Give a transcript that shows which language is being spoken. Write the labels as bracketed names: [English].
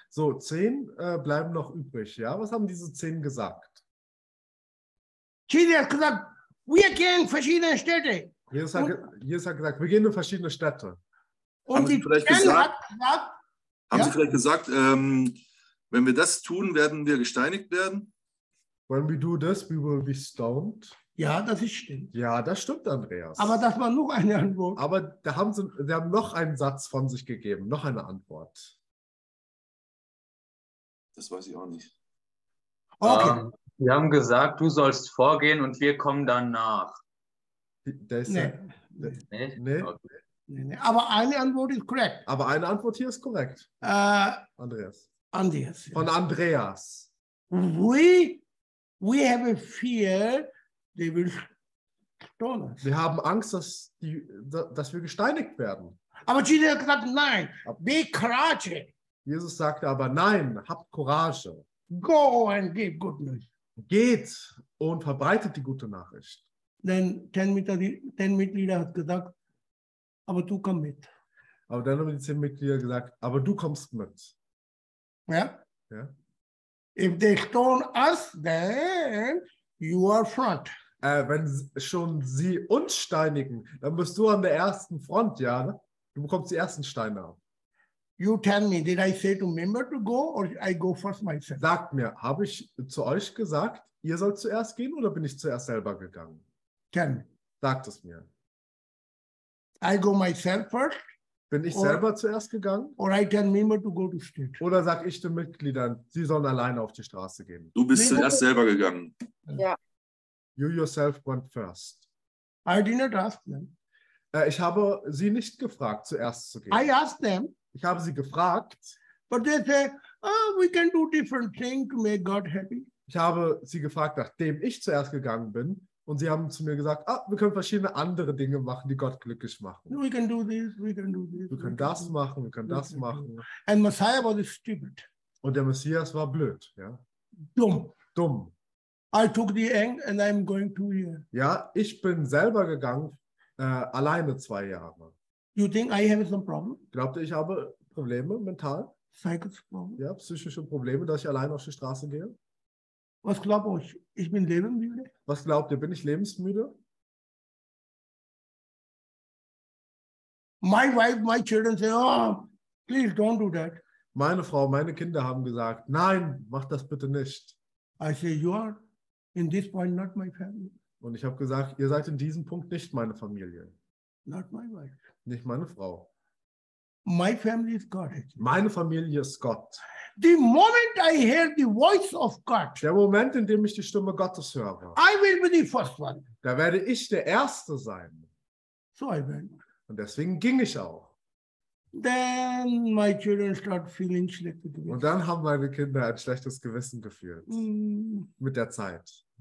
[German] So 10 bleiben noch übrig, ja? Was haben diese 10 gesagt? Jesus hat gesagt, wir gehen in verschiedene Städte. Jesus hat gesagt, wir gehen in verschiedene Städte. Und haben die 10 hat gesagt, haben sie vielleicht gesagt, wenn wir das tun, werden wir gesteinigt werden? [English] When we do this, we will be stoned. [German] Ja, das ist stimmt. Ja, das stimmt, Andreas. Aber das war noch eine Antwort. Aber sie haben noch einen Satz von sich gegeben, noch eine Antwort. Das weiß ich auch nicht. Okay. Sie haben gesagt, du sollst vorgehen und wir kommen dann nach. Nee. Aber eine Antwort ist korrekt. Aber eine Antwort hier ist korrekt. Andreas. Von Andreas. [English] We have a fear. They will stone us. [German] Wir haben Angst, dass wir gesteinigt werden. Aber Jesus hat gesagt, nein, [English] be courage. [German] Jesus sagte aber, nein, habt Courage. [English] Go and give good news. [German] Geht und verbreitet die gute Nachricht. Dann 10 Mitglieder hat gesagt, aber du komm mit. Aber dann haben die 10 Mitglieder gesagt, aber du kommst mit. Ja? Ja. [English] If they stone us, then you are front. [German] Wenn schon sie uns steinigen, dann bist du an der ersten Front, ja? Ne? Du bekommst die ersten Steine ab. [English] You tell me, did I say to member to go or I go first myself? [German] Sagt mir, habe ich zu euch gesagt, ihr sollt zuerst gehen oder bin ich zuerst selber gegangen? [English] Tell me. [German] Sagt es mir. [English] I go myself first [German] Bin ich selber zuerst gegangen? [English] Or I tell member to go to street. [German] Oder sage ich den Mitgliedern, sie sollen alleine auf die Straße gehen? Du bist zuerst selber gegangen. Ja. [English] You yourself went first. I did not ask them. [German] Ich habe sie nicht gefragt, zuerst zu gehen. [English] I asked them. [German] Ich habe sie gefragt. [English] But they say, we can do different things to make God happy. [German] Ich habe sie gefragt, nachdem ich zuerst gegangen bin. Und sie haben zu mir gesagt, wir können verschiedene andere Dinge machen, die Gott glücklich machen. [English] We can do this, we can do this. [German] Wir können das machen, wir können das machen. [English] And Messiah was stupid. [German] Und der Messias war blöd, ja. Dumm. Dumm. [English] I took the egg and I'm going to here. [German] Ja, ich bin selber gegangen, alleine 2 Jahre. [English] You think I have some problem? [German] Glaubt ihr, ich habe Probleme mental? [English] Psychic problem? [German] Ja, psychische Probleme, dass ich alleine auf die Straße gehe. Was glaubt euch? Ich bin lebensmüde? Was glaubt ihr? Bin ich lebensmüde? [English] My wife, my children say, oh, please don't do that. [German] Meine Frau, meine Kinder haben gesagt, nein, mach das bitte nicht. [English] I say, you are in this point not my family. [German] Und ich habe gesagt, ihr seid in diesem Punkt nicht meine Familie. [English] Not my wife. [German] Nicht meine Frau. [English] My family is God. [German] Meine Familie ist Gott. [English] The moment I hear the voice of God, [German] der Moment, in dem ich die Stimme Gottes höre, [English] I will be the first one. [German] Da werde ich der Erste sein. [English] So I went. [German] Und deswegen ging ich auch. [English] Then my children start feeling schlecht with [German] me. Und dann haben meine Kinder ein schlechtes Gewissen gefühlt. Mit der Zeit.